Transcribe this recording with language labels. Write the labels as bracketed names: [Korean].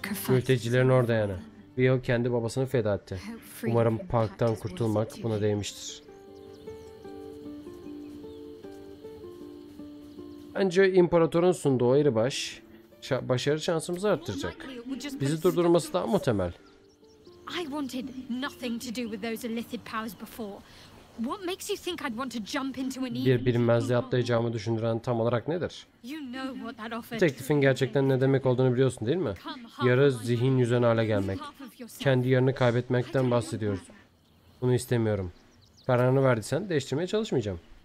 [Turkish] Mültecilerin orada yani. Bio kendi babasını feda etti. Umarım parktan kurtulmak buna değmiştir. Bence imparatorun sunduğu ayrı baş başarı şansımızı arttıracak. Bizi durdurması daha muhtemel. [English] I wanted nothing to do with those illicit powers before. What makes you think I'd want to jump into an evil? [Turkish] Bir bilinmezliğe atlayacağımı düşündüren tam olarak nedir? Teklifin gerçekten ne demek olduğunu biliyorsun değil mi? Yarı zihin yüzen hale gelmek. Kendi yarını kaybetmekten bahsediyoruz. Bunu istemiyorum. Kararını verdiysen değiştirmeye çalışmayacağım.